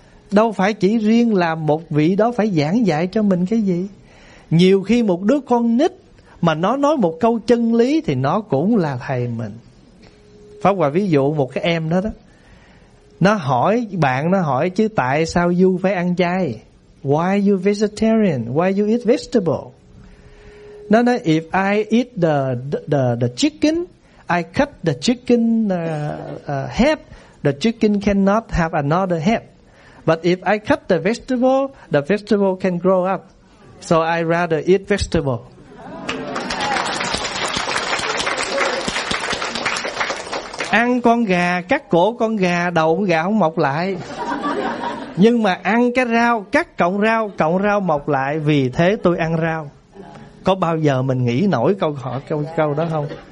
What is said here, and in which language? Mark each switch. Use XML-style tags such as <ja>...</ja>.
<vi>Đâu phải chỉ riêng là một vị đó phải giảng dạy cho mình cái gì. Nhiều khi một đứa con nít mà nó nói một câu chân lý thì nó cũng là thầy mình. Pháp Hòa ví dụ một cái em đó, nó hỏi bạn, nó hỏi chứ tại sao you phải ăn chay?</vi> <en>Why you vegetarian? Why you eat vegetable?</en> <vi>Nó nói</vi> <en>if I eat the chicken, I cut the chicken head, the chicken cannot have another head. But if I cut the vegetable can grow up. So I rather eat vegetable.</en> <vi>Ăn con gà, cắt cổ con gà, đầu con gà không mọc lại. Nhưng mà ăn cái rau, cắt cọng rau mọc lại, vì thế tôi ăn rau. Có bao giờ mình nghĩ nổi câu hỏi câu đó không?</vi>